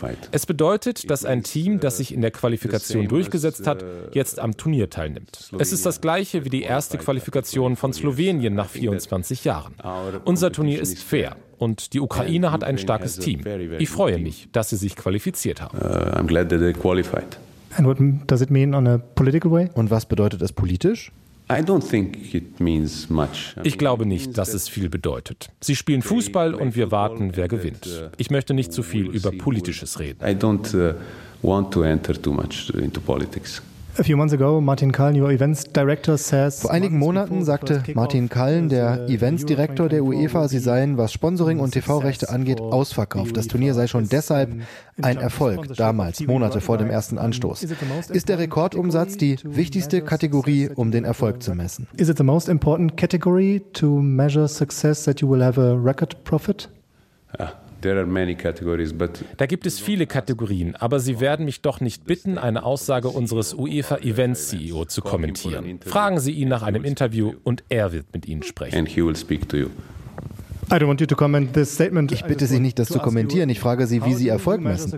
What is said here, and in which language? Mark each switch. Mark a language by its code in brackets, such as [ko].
[de] Es bedeutet, dass ein Team, das sich in der Qualifikation durchgesetzt hat, jetzt am Turnier teilnimmt. Es ist das gleiche wie die erste Qualifikation von Slowenien nach 24 Jahren. Unser Turnier ist fair und die Ukraine hat ein starkes Team. Ich freue mich, dass sie sich qualifiziert haben. [en] I'm glad that they qualified. And what does it mean on a political way? [de] Und was bedeutet es politisch? [en] I don't think it means much. [de] Ich glaube nicht, dass es viel bedeutet. Sie spielen Fußball und wir warten, wer gewinnt. Ich möchte nicht zu viel über Politisches reden. [en] I don't want to enter too much into politics. A few months ago, Martin Kallen, your events director, says. [de] Vor einigen Monaten sagte Martin Kallen, der Eventsdirektor der UEFA, sie seien, was Sponsoring und TV-Rechte angeht, ausverkauft. Das Turnier sei schon deshalb ein Erfolg, damals, Monate vor dem ersten Anstoß. Ist der Rekordumsatz die wichtigste Kategorie, um den Erfolg zu messen? [en] Is it the most important category to measure success that you will have a record profit? [de] Da gibt es viele Kategorien, aber Sie werden mich doch nicht bitten, eine Aussage unseres UEFA-Event-CEO zu kommentieren. Fragen Sie ihn nach einem Interview und er wird mit Ihnen sprechen. Ich bitte Sie nicht, das zu kommentieren. Ich frage Sie, wie Sie Erfolg messen.